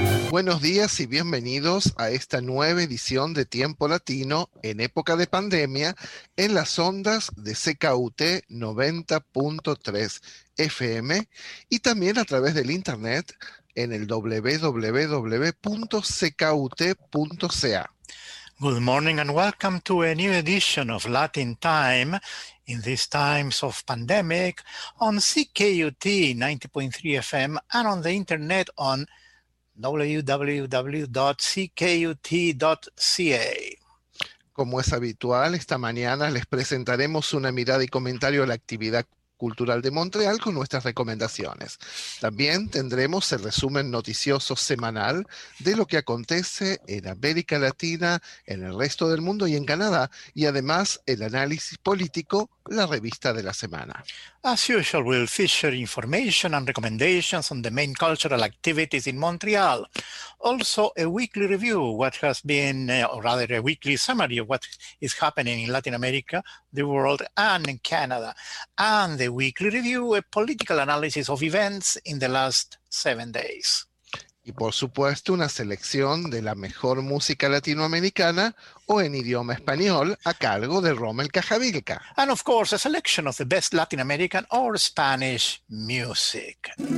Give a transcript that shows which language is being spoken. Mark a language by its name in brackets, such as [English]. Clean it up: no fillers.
[Spanish] Buenos días y bienvenidos a esta nueva edición de Tiempo Latino en época de pandemia en las ondas de CKUT 90.3 FM y también a través del internet en el www.ckut.ca. [English] Good morning and welcome to a new edition of Latin Time in these times of pandemic on CKUT 90.3 FM and on the internet on www.ckut.ca. [Spanish] Como es habitual, esta mañana les presentaremos una mirada y comentario a la actividad cultural de Montreal con nuestras recomendaciones. También tendremos el resumen noticioso semanal de lo que acontece en América Latina, en el resto del mundo y en Canadá, y además el análisis político, la revista de la semana. [English] As usual, we'll feature information and recommendations on the main cultural activities in Montreal. Also, a weekly review, what has been, or rather a weekly summary of what is happening in Latin America, the world, and in Canada. And the weekly review, a political analysis of events in the last 7 days. [Spanish] Y por supuesto, una selección de la mejor música latinoamericana o en idioma español a cargo de Rommel Cajavilca. [English] And of course, a selection of the best Latin American or Spanish music.